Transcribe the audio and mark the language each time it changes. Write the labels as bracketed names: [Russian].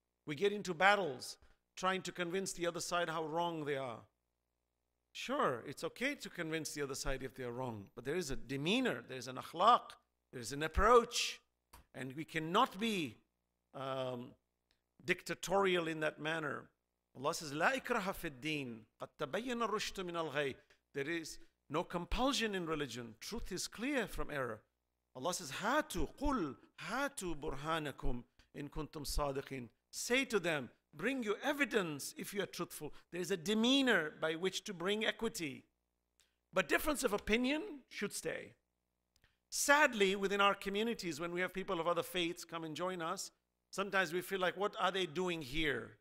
[English] We get into battles trying to convince the other side how wrong they are. Sure, it's okay to convince the other side if they are wrong, but there is a demeanor, there is an akhlaq, there is an approach, and we cannot be dictatorial in that manner. Allah says, [Arabic] لا إكره في الدين قد تبين الرشد من الغي. [English] There is no compulsion in religion. Truth is clear from error. Allah says, [Arabic] هاتوا قل هاتوا برهانكم إن كنتم صادقين. [English] Say to them, bring you evidence if you are truthful. There is a demeanor by which to bring equity. But difference of opinion should stay. Sadly, within our communities, when we have people of other faiths come and join us, sometimes we feel like, what are they doing here?